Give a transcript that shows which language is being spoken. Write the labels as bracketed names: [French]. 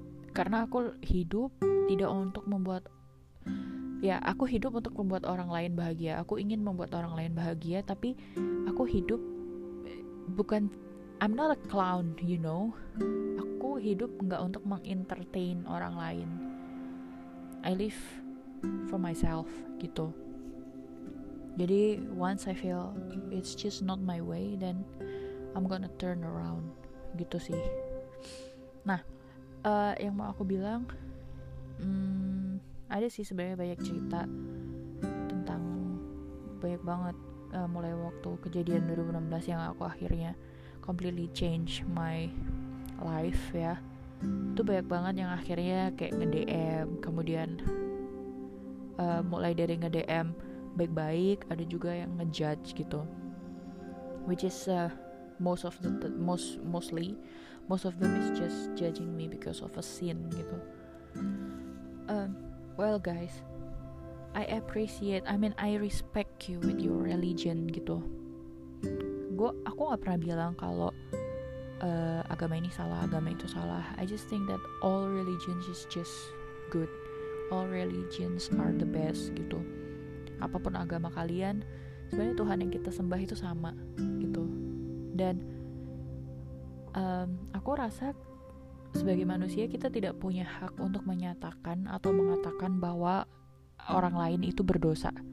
[Indonesian] Karena aku hidup tidak untuk membuat, ya aku hidup untuk membuat orang lain bahagia. Aku ingin membuat orang lain bahagia, tapi aku hidup bukan, [English] I'm not a clown, you know. [Indonesian] Aku hidup gak untuk mengentertain orang lain. [English] I live for myself [Indonesian] gitu. Jadi [English] once I feel it's just not my way, then I'm gonna turn around [Indonesian] gitu sih. Nah, yang mau aku bilang, ada sih sebenarnya banyak cerita tentang banyak banget, mulai waktu kejadian 2016 yang aku akhirnya [English] completely change my life [Indonesian] ya. Itu banyak banget yang akhirnya kayak nge-DM, kemudian mulai dari nge-DM baik-baik, ada juga yang nge-judge gitu, [English] which is most of them is just judging me because of a sin [Indonesian] gitu. [English] Well guys, I appreciate, I mean I respect you with your religion [Indonesian] gitu. Aku gak pernah bilang kalau agama ini salah, agama itu salah. [English] I just think that all religions is just good. All religions are the best [Indonesian] gitu. Apapun agama kalian, sebenarnya Tuhan yang kita sembah itu sama gitu. Dan aku rasa sebagai manusia kita tidak punya hak untuk menyatakan atau mengatakan bahwa orang lain itu berdosa.